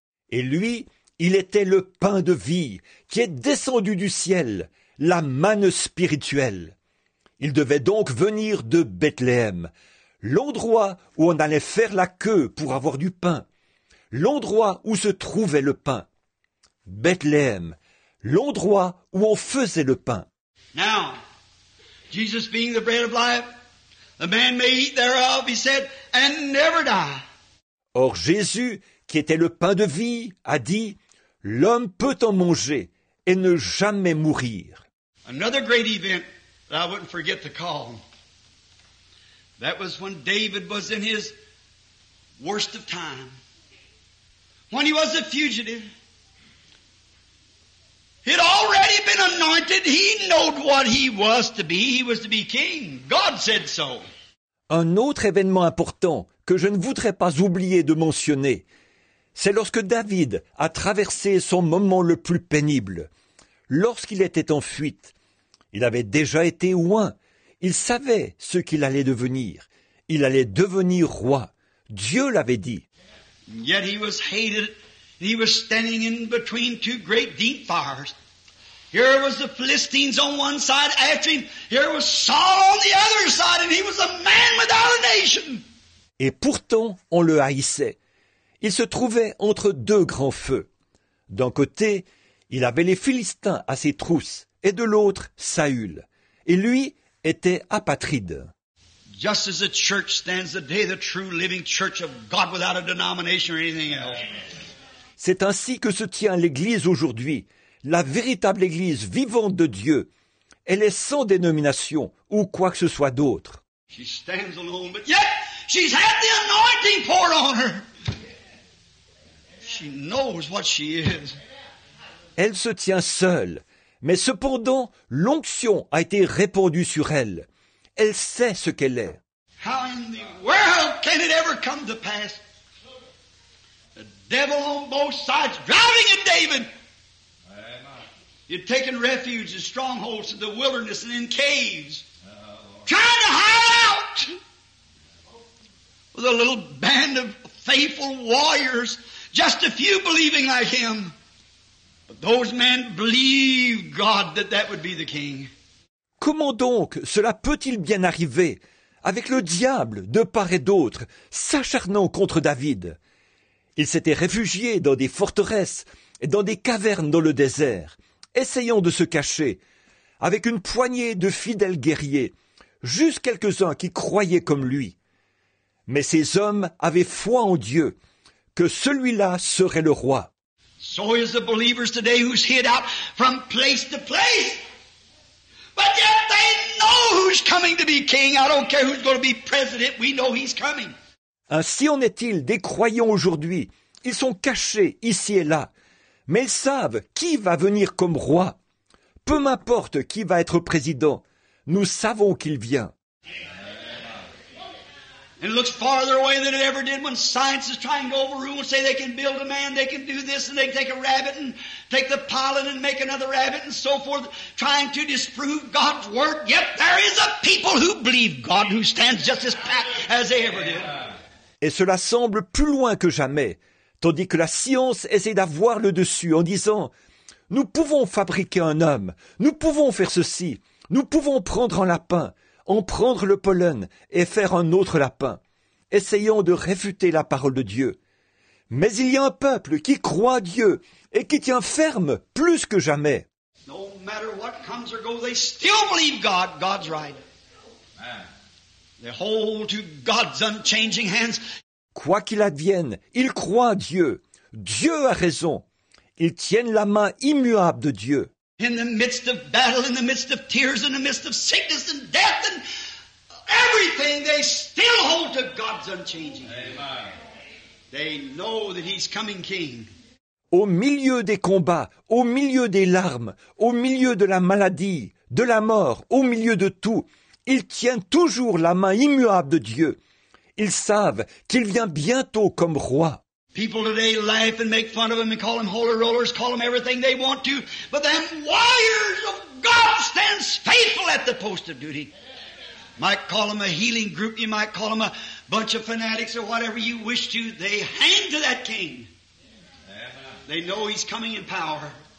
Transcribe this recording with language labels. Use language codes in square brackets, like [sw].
[fr] Et lui, il était le pain de vie qui est descendu du ciel, la manne spirituelle. Il devait donc venir de Bethléem, l'endroit où on allait faire la queue pour avoir du pain, l'endroit où se trouvait le pain. Bethléem, l'endroit où on faisait le pain. [en] Now, Jesus being the bread of life, the man may eat thereof, he said, and never die. [fr] Or Jésus, qui était le pain de vie, a dit, l'homme peut en manger et ne jamais mourir. [en] Another great event that I wouldn't forget to call. That was when David was in his worst of time. When he was a fugitive. He had already been anointed. He knowed what he was to be. He was to be king. God said so. [fr] Un autre événement important que je ne voudrais pas oublier de mentionner, c'est lorsque David a traversé son moment le plus pénible. Lorsqu'il était en fuite, il avait déjà été oint, il savait ce qu'il allait devenir, il allait devenir roi. Dieu l'avait dit. [en] Yet he was hated. He was standing in between two great deep fires. Here was the Philistines on one side after him. Here was Saul on the other side, and he was a man without a nation. [fr] Et pourtant, on le haïssait. Il se trouvait entre deux grands feux. D'un côté, il avait les Philistins à ses trousses, et de l'autre, Saül. Et lui était apatride. [en] Just as the church stands today, the true living church of God without a denomination or anything else. [fr] C'est ainsi que se tient l'Église aujourd'hui, la véritable Église vivante de Dieu. Elle est sans dénomination ou quoi que ce soit d'autre. [en] She stands alone, but yet she's had the anointing poured on her. She knows what she is. [fr] Elle se tient seule, mais cependant l'onction a été répandue sur elle. Elle sait ce qu'elle est. [en] How in the world can it ever come to pass? The devil on both sides driving at David. He'd taken refuge in strongholds in the wilderness and in caves. Trying to hide out with a little band of faithful warriors, just a few believing like him. But those men believed God that that would be the king. [fr] Comment donc cela peut-il bien arriver avec le diable de part et d'autre s'acharnant contre David? Il s'était réfugié dans des forteresses et dans des cavernes dans le désert, essayant de se cacher, avec une poignée de fidèles guerriers, juste quelques-uns qui croyaient comme lui. Mais ces hommes avaient foi en Dieu, que celui-là serait le roi. [en] So is the believers today who's hid out from place to place. But yet they know who's coming to be king. I don't care who's going to be president. We know he's coming. [fr] Ainsi en est-il des croyants aujourd'hui. Ils sont cachés ici et là. Mais ils savent qui va venir comme roi. Peu m'importe qui va être président. Nous savons qu'il vient. [en] It looks farther away than it ever did when science is trying to overrule and say they can build a man, they can do this, and they can take a rabbit and take the pollen and make another rabbit and so forth, trying to disprove God's word. Yet there is a people who believe God who stands just as pat as they ever did. [fr] Et cela semble plus loin que jamais, tandis que la science essaie d'avoir le dessus en disant « Nous pouvons fabriquer un homme, nous pouvons faire ceci, nous pouvons prendre un lapin ». En prendre le pollen et faire un autre lapin, essayant de réfuter la parole de Dieu. Mais il y a un peuple qui croit à Dieu et qui tient ferme plus que jamais. [en] No matter what comes or goes, they still believe God, God's right. They hold to God's unchanging hands. [fr] Quoi qu'il advienne, ils croient à Dieu. Dieu a raison. Ils tiennent la main immuable de Dieu. [en] In the midst of battle, in the midst of tears, in the midst of sickness and death and everything, they still hold to God's unchanging. Amen. They know that he's coming king. [fr] Au milieu des combats, au milieu des larmes, au milieu de la maladie, de la mort, au milieu de tout, ils tiennent toujours la main immuable de Dieu. Ils savent qu'il vient bientôt comme roi. [en] People today laugh and make fun of him and call him holy rollers, call him everything they want to. But them warriors of God stands faithful at the post of duty. Might call him a healing group, you might call him a bunch of fanatics or whatever you wish to. They hang to that king. They know he's coming in power.